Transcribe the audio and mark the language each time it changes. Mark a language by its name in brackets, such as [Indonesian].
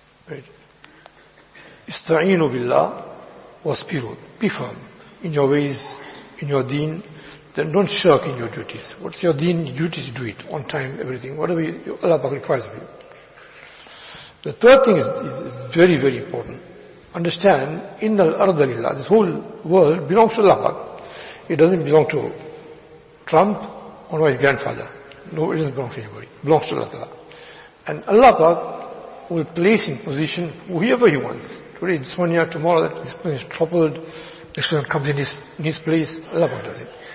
[English] Right? [Arabic] إِسْتَعِينُوا بِاللَّهِ وَاسْبِرُوا. [English] Be firm in your ways, in your deen. Then don't shirk in your duties. What's your deen? Duties, do it. On time, everything. Whatever Allah Pak requires of you. The third thing is very, very important. Understand, [Arabic] إِنَّ الْأَرْضَ لِلَّهِ. [English] This whole world belongs to Allah Pak. It doesn't belong to Trump or his grandfather. No, it doesn't belong to anybody. It belongs to Allah Ta'ala. And Allah Pak will place in position whoever he wants. Today it's 1 year, tomorrow that this person is troubled, this person comes in his place, Allah Pak does it.